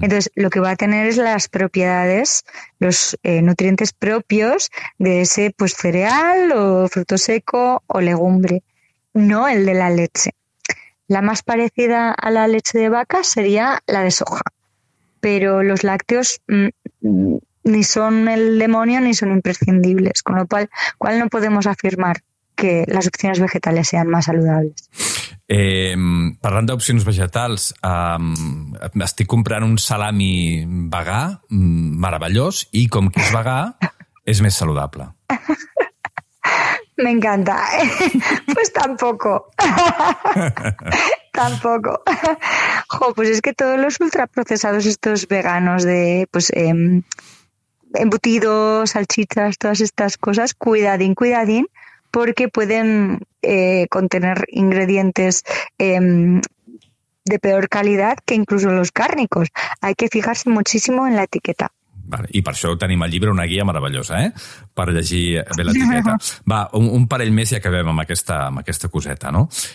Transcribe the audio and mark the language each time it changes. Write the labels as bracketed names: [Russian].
[Spanish] Entonces, lo que va a tener es las propiedades, los nutrientes propios de ese pues cereal o fruto seco o legumbre, no el de la leche. La más parecida a la leche de vaca sería la de soja, pero los lácteos ni son el demonio ni son imprescindibles, con lo cual no podemos afirmar que las opciones vegetales sean más saludables. [Catalan] Parlant d'opcions vegetals, estic comprant un salami vegà meravellós i com que és vegà, és més saludable. [Spanish] Me encanta. Pues tampoco. Tampoco. Jo, pues es que todos los ultraprocesados estos veganos de pues embutidos, salchichas, todas estas cosas, cuidadín, porque pueden contener ingredientes de peor calidad que incluso los cárnicos. Hay que fijarse muchísimo en la etiqueta. [Catalan] I per això tenim el llibre, una guia meravellosa, eh? Per llegir bé l'etiqueta. Va, un parell més i acabem amb aquesta coseta, no?